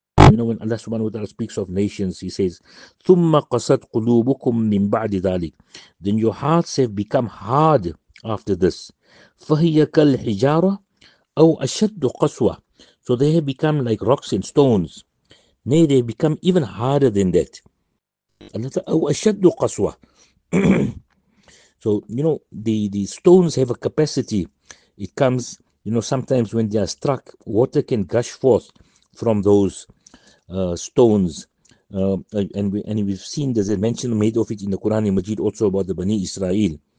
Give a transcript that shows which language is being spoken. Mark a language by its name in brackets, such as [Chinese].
[English] You know, when Allah subhanahu wa ta'ala speaks of nations, he says, [Arabic] ثُمَّ قَسَتْ قُلُوبُكُمْ مِنْ بَعْدِ ذَلِكَ. [English] Then your hearts have become hard after this. [Arabic] فَهِيَ كَالْحِجَارَةَ أَوْ أَشَدُّ قَسْوَةَ. [English] So they have become like rocks and stones. Nay, they have become even harder than that. Allah says, [Arabic] أَوْ أَشَدُّ قَسْوَةَ. [English] So, you know, the stones have a capacity. It comes, you know, sometimes when they are struck, water can gush forth from those stones. And we've seen, there's a mention made of it in the Quran and Majid also about the Bani Israel.